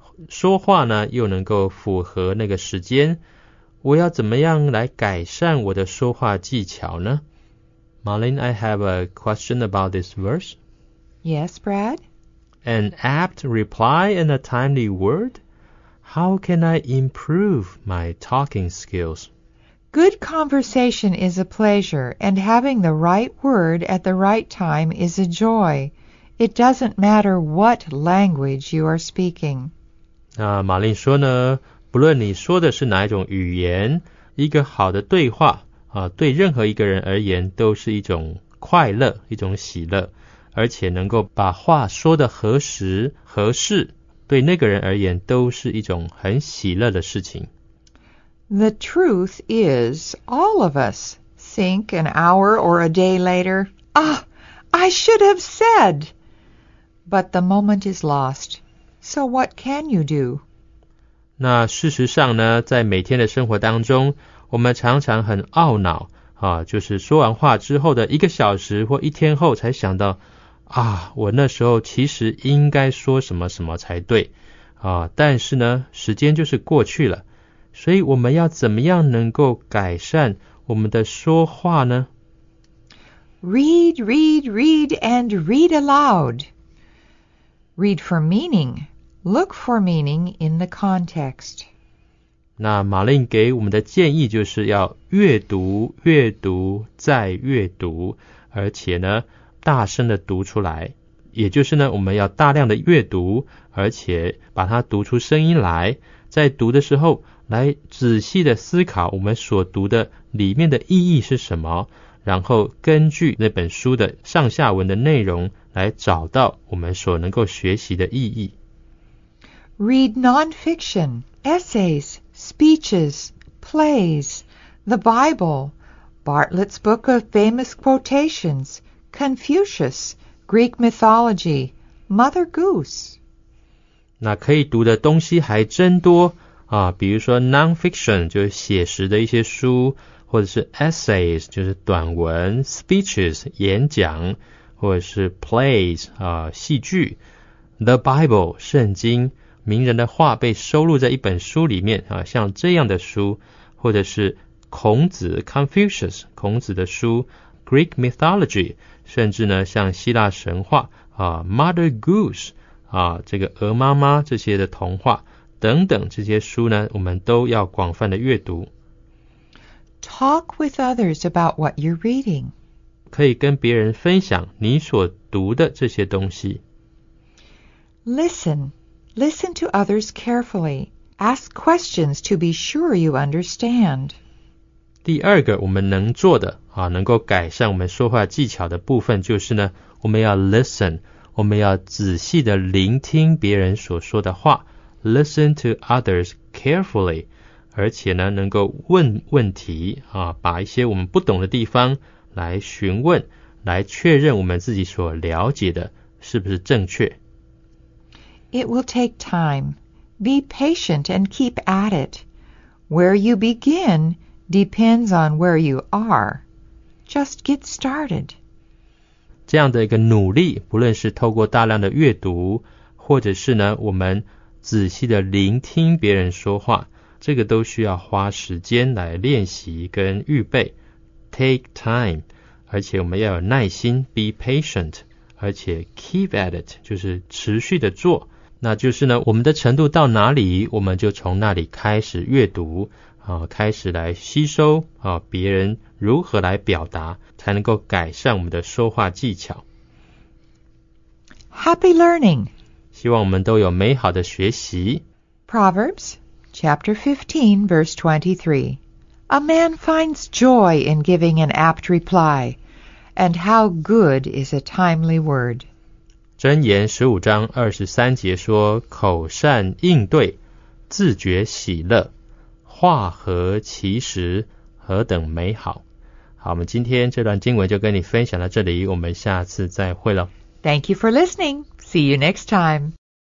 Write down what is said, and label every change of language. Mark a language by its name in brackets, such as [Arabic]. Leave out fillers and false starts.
[Chinese] 说话呢又能够符合那个时间，我要怎么样来改善我的说话技巧呢？ [English] Marlene, I have a question about this verse. Yes, Brad? An apt reply and a timely word? How can I improve my talking skills? Good conversation is a pleasure, and having the right word at the right time is a joy. It doesn't matter what language you are speaking. [Chinese] 那玛丽说呢，不论你说的是哪一种语言，一个好的对话啊，对任何一个人而言都是一种快乐，一种喜乐，而且能够把话说得合时合适，对那个人而言都是一种很喜乐的事情。 [English] The truth is, all of us think an hour or a day later, Ah, I should have said. But the moment is lost. So what can you do? [Chinese] 那事实上呢，在每天的生活当中，我们常常很懊恼啊，就是说完话之后的一个小时或一天后才想到，啊，我那时候其实应该说什么什么才对啊，但是呢，时间就是过去了。所以我们要怎么样能够改善我们的说话呢？ [English] Read, read, read, and read aloud. Read for meaning. Look for meaning in the context. [Chinese] 那玛丽给我们的建议就是要阅读，阅读，再阅读，而且呢，大声的读出来。也就是呢，我们要大量的阅读，而且把它读出声音来，在读的时候来仔细的思考我们所读的里面的意义是什么，然后根据那本书的上下文的内容来找到我们所能够学习的意义。 [English] Read non-fiction, essays, speeches, plays, the Bible, Bartlett's Book of Famous Quotations, Confucius, Greek Mythology, Mother Goose. [Chinese] 那可以读的东西还真多啊，比如说 non-fiction 就是写实的一些书，或者是 essays 就是短文， speeches 演讲，或者是 plays 啊戏剧， the Bible 圣经，名人的话被收录在一本书里面啊，像这样的书，或者是孔子 Confucius 孔子的书， Greek mythology 甚至呢像希腊神话啊 Mother Goose 啊这个鹅妈妈这些的童话等等，这些书呢，我们都要广泛的阅读。 [English] Talk with others about what you're reading. [Chinese] 可以跟别人分享你所读的这些东西。 [English] Listen. Listen to others carefully. Ask questions to be sure you understand. [Chinese] 第二个我们能做的啊，能够改善我们说话技巧的部分就是呢，我们要 listen， 我们要仔细的聆听别人所说的话。 [English] Listen to others carefully, [Chinese] 而且呢能够问问题啊，把一些我们不懂的地方来询问，来确认我们自己所了解的是不是正确。 [English] It will take time. Be patient and keep at it. Where you begin depends on where you are. Just get started. [Chinese] 这样的一个努力，不论是透过大量的阅读，或者是呢我们仔细的聆听别人说话，这个都需要花时间来练习跟预备。 [English] Take time, [Chinese] 而且我们要有耐心 , [English] be patient, [Chinese] 而且 [English] keep at it, [Chinese] 就是持续的做。那就是呢，我们的程度到哪里，我们就从那里开始阅读啊，开始来吸收啊，别人如何来表达，才能够改善我们的说话技巧。 [English] Happy learning! [Chinese] 希望我们都有美好的学习。 [English] Proverbs chapter 15 verse 23. A man finds joy in giving an apt reply, and how good is a timely word. [Chinese] 箴言15章23节说，口善应对，自觉喜乐，话合其实，何等美好。好，我们今天这段经文就跟你分享到这里，我们下次再会了。 [English] Thank you for listening. See you next time.